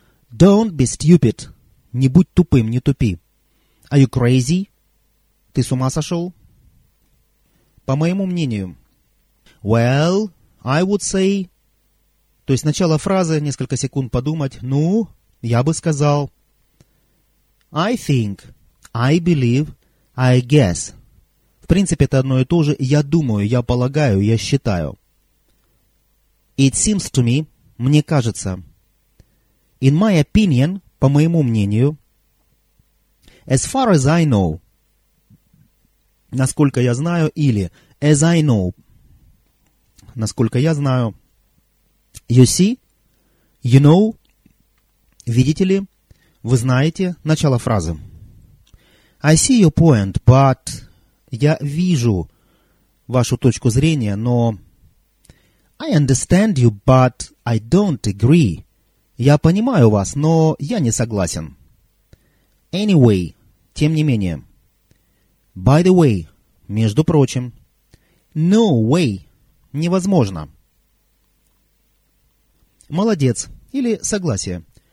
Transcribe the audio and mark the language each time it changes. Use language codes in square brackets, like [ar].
[en] Don't be stupid. [ru] Не будь тупым, не тупи. [en] Are you crazy? [ru] Ты с ума сошел? По моему мнению. [en] Well, I would say... [ru] То есть начало фразы, несколько секунд подумать. Ну, я бы сказал. [en] I think, I believe, I guess. [ru] В принципе, это одно и то же. Я думаю, я полагаю, я считаю. [en] It seems to me, [ru] мне кажется. [en] In my opinion, [ru] по моему мнению. [en] As far as I know. [ru] Насколько я знаю, или [en] as I know. [ru] Насколько я знаю. [en] You see? You know? [ru] Видите ли? Вы знаете? Начало фразы. [en] I see your point, but... [ru] Я вижу вашу точку зрения, но... [en] I understand you, but I don't agree. [ru] Я понимаю вас, но я не согласен. [en] Anyway, [ru] тем не менее. [en] By the way, [ru] между прочим. [en] No way. [ru] Невозможно. Молодец. Или согласие.